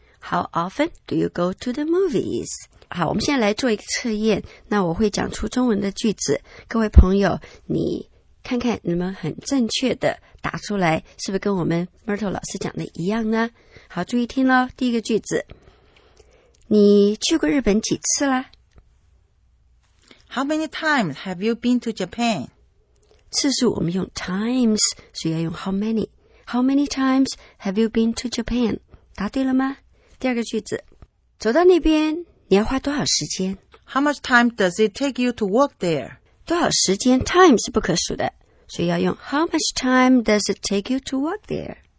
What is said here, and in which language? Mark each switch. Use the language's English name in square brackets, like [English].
[English] How often do you go to the movies? [Chinese] 好，我们现在来做一个测验，那我会讲出中文的句子，各位朋友，你看看你们很正确的答出来，是不是跟我们 Myrtle 老师讲的一样呢？好，注意听咯，第一个句子，你去过日本几次啦？ [English] How many times have you been to Japan? [Chinese] 次数我们用 times, 所以要用 [English] how many. How many times have you been to Japan? [Chinese] 答对了吗？第二个句子，走到那边你要花多少时间？ [English] How much time does it take you to walk there? [Chinese] 多少时间？ [English] time [Chinese] 是不可数的，所以要用 [English] how much time does it take you to walk there?